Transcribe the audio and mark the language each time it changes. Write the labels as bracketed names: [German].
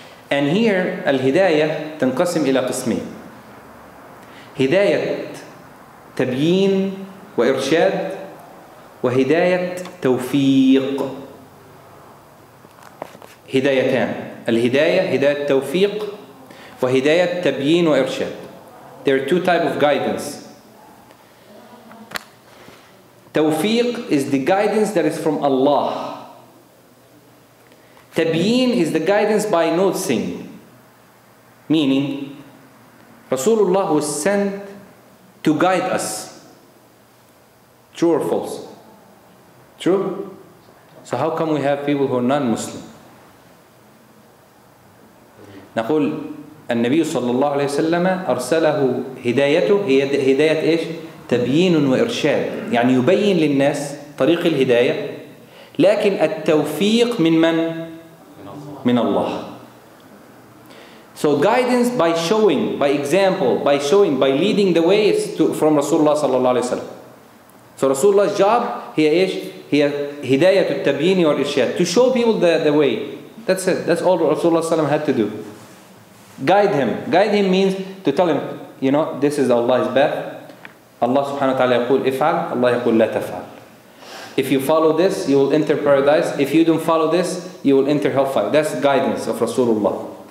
[Arabic] And here, الهداية تنقسم إلى قسمين. هداية تبيين وإرشاد, وهداية توفيق. هدايتان, الهداية هداية توفيق وهداية تبيين وإرشاد. [English] There are two types of guidance. توفيق is the guidance that is from Allah. تبيين is the guidance by noticing. Meaning, رسول الله was sent to guide us. True or false? True? So how come we have people who are non-Muslim? [Arabic] نقول النبي صلى الله عليه وسلم أرسله هدايته, هي هداية إيش؟ تبيين وإرشاد, يعني يبين للناس طريق الهداية. لكن التوفيق من من؟ من الله. [English] So guidance by showing, by example, by showing, by leading the way is from رسول الله صلى الله عليه وسلم. [Arabic] So رسول الله's job هي إيش؟ هي هداية التبيين والإرشاد, to show people the way. [English] That's it, that's all رسول الله صلى الله عليه وسلم had to do. Guide him. Guide him means to tell him, you know, this is Allah's path. Allah subhanahu wa ta'ala يقول افعل, Allah يقول لا تفعل. If you follow this, you will enter paradise. If you don't follow this, you will enter hellfire. That's guidance of Rasulullah.